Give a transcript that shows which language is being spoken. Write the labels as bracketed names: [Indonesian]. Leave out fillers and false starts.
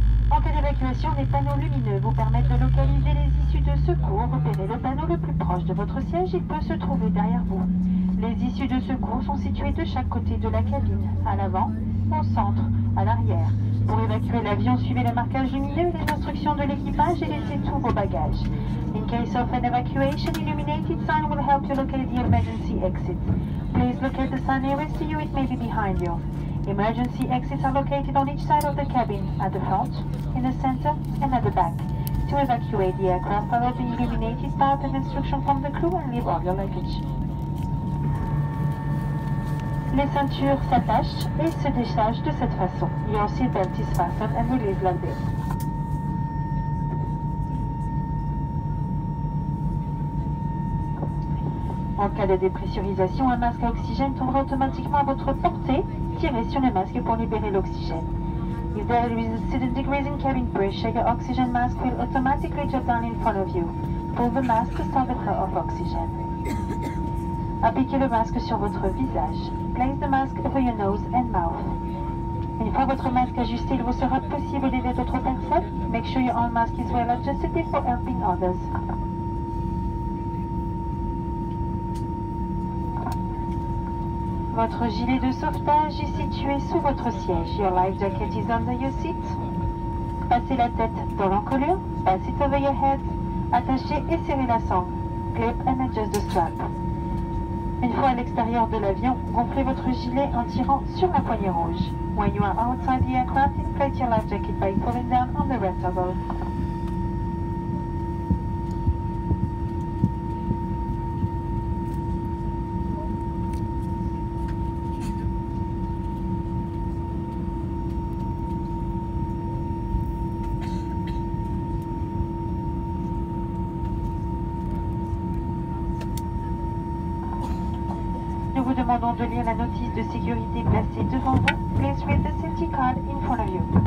[French] En cas d'évacuation, les panneaux lumineux vous permettent de localiser les issues de secours. Repérez le panneau le plus proche de votre siège, il peut se trouver derrière vous. Les issues de secours sont situées de chaque côté de la cabine, à l'avant, au centre, à l'arrière. Pour évacuer l'avion, suivez le marquage lumineux et les instructions de l'équipage et laissez tout vos bagages. [English] In case of an evacuation, illuminated sign will help you locate the emergency exit. Please locate the sign nearest to you, it may be behind you. Emergency exits are located on each side of the cabin, at the front, in the center, and at the back. To evacuate the aircraft, follow the illuminated path and instruction from the crew and leave all your luggage. [French] Les ceintures s'attachent et se déchargent de cette façon. [English] Your seatbelt is fastened and released like this. [French] En cas de dépressurisation, un masque à oxygène tombera automatiquement à votre portée. Tirez sur le masque pour libérer l'oxygène. [English] If there is a sudden decrease in cabin pressure, your oxygen mask will automatically drop down in front of you. Pull the mask to start the flow of oxygen. [French] Appliquez le masque sur votre visage. [English] Place the mask over your nose and mouth. [French] Une fois votre masque ajusté, il vous sera possible d'aider d'autres personnes. [English] Make sure your own mask is well adjusted before helping others. [French] Votre gilet de sauvetage est situé sous votre siège. [English] Your life jacket is under your seat. [French] Passez la tête dans l'encolure. [English] Pass it over your head. [French] Attachez et serrez la sangle. [English] Clip and adjust the strap. [French] Une fois à l'extérieur de l'avion, gonflez votre gilet en tirant sur la poignée rouge. [English] When you are outside the aircraft, inflate your life jacket by pulling down on the red toggle. [French] Demandons de lire la notice de sécurité placée devant vous. [English] Please read the safety card in front of you.